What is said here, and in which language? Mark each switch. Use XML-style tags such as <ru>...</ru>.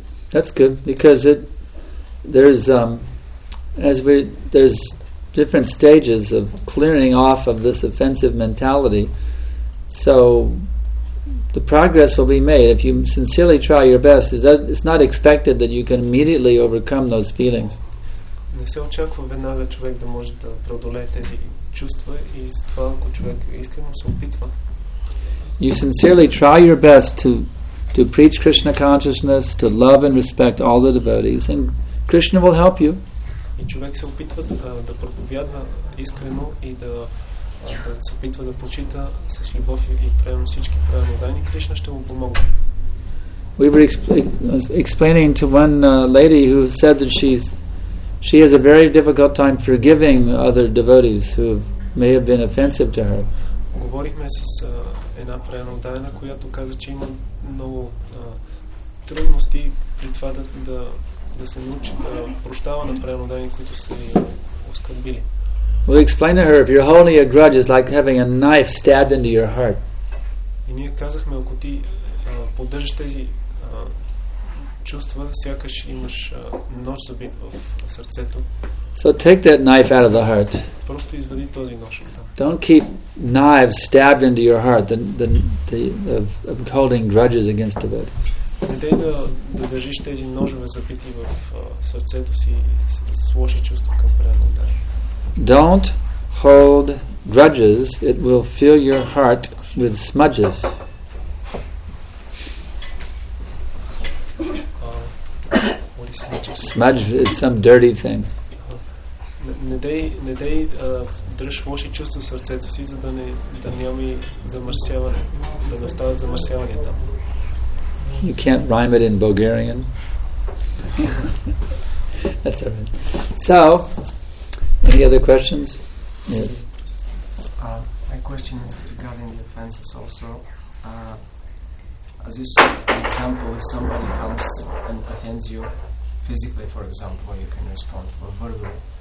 <en>That's good, because there's different stages of clearing off of this offensive mentality. So the progress will be made if you sincerely try your best. It's not expected that you can immediately overcome those feelings.</en> <bg>Не се очаква веднага човек да може да преодолее тези чувства, и това ако човек искрено се опитва.</bg> <en>You sincerely try your best to preach Krishna consciousness, to love and respect all the devotees, and Krishna will help you.</en> <bg>И човек се опитва да проповядва искрено и да се опитва да почита с любов и приема всички праведни, Кришна ще му помогне.</bg> <en>We were explaining to one lady who said that she has a very difficult time forgiving other devotees who may have been offensive to her.</en> <bg>Говорихме с една праведна, която каза, че има много трудности при това да се научи да прощава на праведни, които са ѝ оскърбили.</bg> <en>We explain to her, if you're holding a grudge, it's like having a knife stabbed into your heart.</en> <bg>И ние казахме, ако ти поддържаш тези чувства, сякаш имаш нож забит в сърцето.</bg> <en>So take that knife out of the heart.</en> <bg>Просто извади този нож от там.</bg> <en>Don't keep knives stabbed into your heart, the holding grudges against the body.</en> <bg>Не дей да държиш тези ножове забити в сърцето си с лоши чувства към преданата.</bg> <en>Don't hold grudges, it will fill your heart with smudges. What is smudges? Smudge is some dirty thing.</en> <bg>Не дей дръж лоши чувства в сърцето си, за да няма замърсяване, да не остават замърсявания там.</bg> <en>You can't rhyme it in Bulgarian. That's all right. So, any other questions? Yes. My question is regarding the offenses also. As you said, for example, if somebody comes and offends you physically, for example, you can respond to a verbal.</en>